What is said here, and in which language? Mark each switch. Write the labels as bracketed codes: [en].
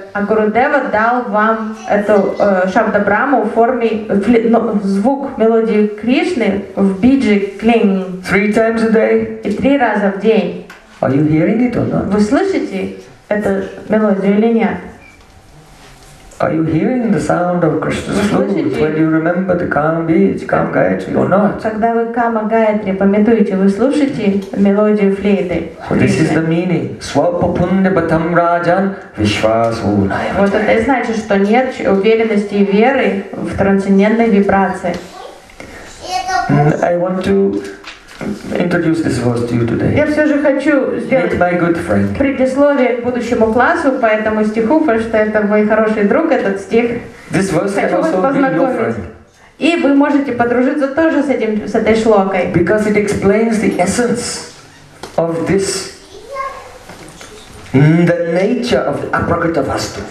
[ru] А Гурудева дал вам эту Шабда Брахму в форме звук мелодии Кришны в бидже кling. [en] Three times a day. [ru] И три раза в день. [en] Are you hearing it or not? [ru] Вы слышите эту мелодию или нет? [en] Are you hearing the sound of Krishna's flute when you remember the calm beach, calm Gayatri, or not? [ru] Когда вы Кама Гаятри памятуете, вы слушаете мелодию флейты. [en] This is the meaning. Свапапунде батам раджан вишвасу наймате. [ru] Вот это значит, что нет уверенности и веры в трансцендентной вибрации. [en] I want to introduce this verse to you today. [ru] Я все же хочу сделать предисловие к будущему классу по этому стиху, потому что это мой хороший друг, этот стих. [en] This verse [ru] хочу вас познакомить. И вы можете подружиться тоже с этим, с этой шлокой. [en] Because it explains the essence of this, the nature of the Апракритавасту.